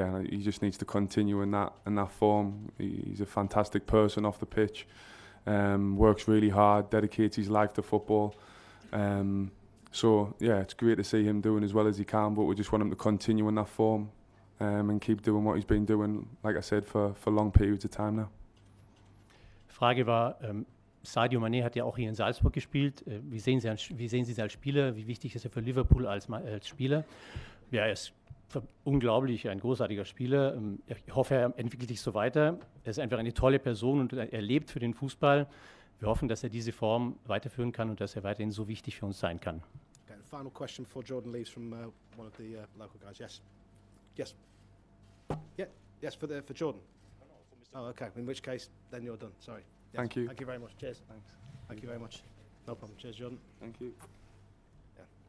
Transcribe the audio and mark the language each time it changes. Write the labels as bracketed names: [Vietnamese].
[English] He just needs to continue in that form. He's a fantastic person off the pitch. Works really hard, dedicates his life to football. It's great to see him doing as well as he can, but we just want him to continue in that form and keep doing what he's been doing, like I said, for long periods of time now. [German] Frage war, Sadio Mané hat ja auch hier in Salzburg gespielt. Wie sehen Sie es als Spieler? Wie wichtig ist er für Liverpool als Spieler? Ja, er ist unglaublich, ein großartiger Spieler. Ich hoffe, er entwickelt sich so weiter. Er ist einfach eine tolle Person und er lebt für den Fußball. Wir hoffen, dass er diese Form weiterführen kann und dass er weiterhin so wichtig für uns sein kann. [English] Okay, and final question before Jordan leaves from one of the local guys. Yes. Yes. Yeah. Yes, for Jordan. Oh, okay. In which case, then you're done. Sorry. Yes. Thank you. Thank you very much. Cheers. Thanks. Thank you very much. No problem. Cheers, Jordan. Thank you. Yeah.